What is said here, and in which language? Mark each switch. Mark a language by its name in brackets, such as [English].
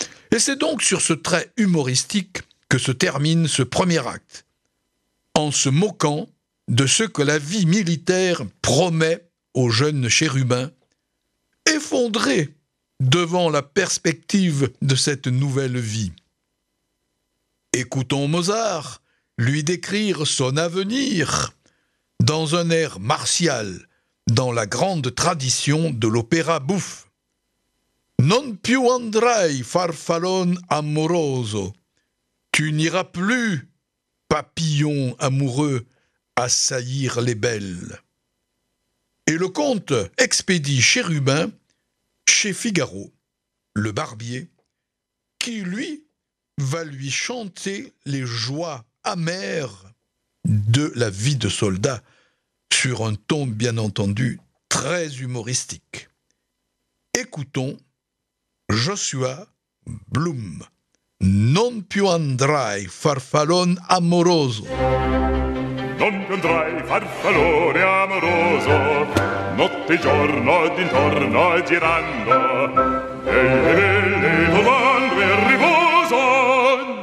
[French] Et c'est donc sur ce trait humoristique que se termine ce premier acte, en se moquant de ce que la vie militaire promet au jeune chérubin, effondré devant la perspective de cette nouvelle vie. Écoutons Mozart lui décrire son avenir dans un air martial, dans la grande tradition de l'opéra bouffe. [Italian] Non più andrai, farfalone amoroso. [French] Tu n'iras plus, papillon amoureux, assaillir les belles. Et le comte expédie Chérubin chez Figaro, le barbier, qui, lui, va lui chanter les joies amères de la vie de soldat, sur un ton, bien entendu, très humoristique. Écoutons Joshua Bloom. [Italian] Non più andrai, farfalone amoroso. Non più andrai, farfalone amoroso. Notte e giorno d'intorno girando. E volando e riposo.